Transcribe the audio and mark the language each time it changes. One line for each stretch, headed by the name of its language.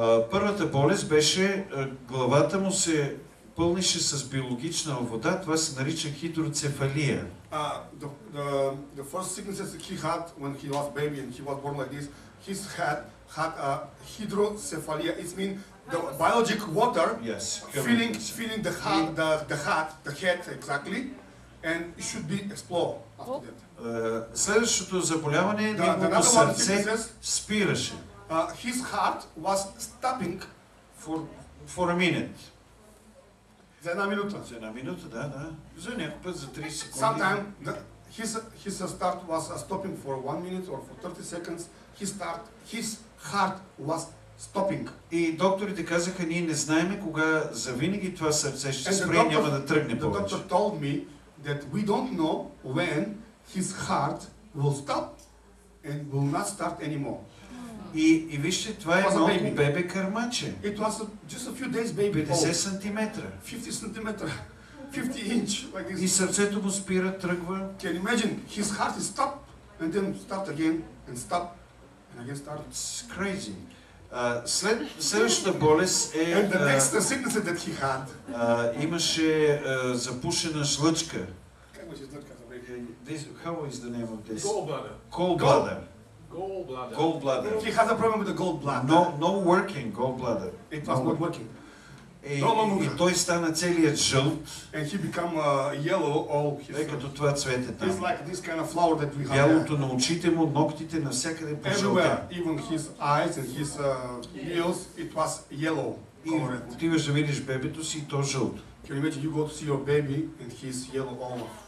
Bulgarian: Първата болест беше главата му се пълнише с биологична вода, това се нарича хидроцефалия.
English: The first sickness he had when he was baby and he was born like this, his head had a hydrocephalia. It means the biologic water, yes, filling the heart, the head exactly, and it should be explored after that.
Bulgarian: Следващото заболяване неговото сърце спираше.
English: His heart was stopping for a minute.
Bulgarian: За една минута. За една минута, да. За някой път за 30 секунди.
English: Sometimes his start was stopping for 1 minute or for 30 seconds. His heart was stopping.
Bulgarian: И докторите казаха, ние не знаем кога завинаги това сърце ще спре и няма да тръгне повече.
English: The doctor told me that we don't know when his heart will stop and will not start anymore.
Bulgarian: И вижте, това е малко бебе кърмаче.
English: It was just a few days baby.
Bulgarian: 50 сантиметра. 50 сантиметра. 50 инч. И сърцето му спира, тръгва.
English: Can you imagine? His heart is stop and then start again and stop and again start. It's crazy.
Bulgarian: Следващата болест е...
English: And the next sickness that he had.
Bulgarian: Имаше запушена жлъчка. Как беше
English: жлъчка? How is the name of this? Gallbladder. Gallbladder. He had a problem with the gallbladder. No working gallbladder. It was not working.
Bulgarian: И той стана целият жълт.
English: And he become yellow all his.
Bulgarian: Като това цвете там.
English: It's like this kind of flower that we have.
Bulgarian: Бялото на очите му, ноктите навсякъде по жълта.
English: Everywhere, even his eyes and his nails, it was yellow.
Bulgarian: И отиваш да видиш бебето си, то жълт.
English: Can you imagine, you go to see your baby and he's yellow all.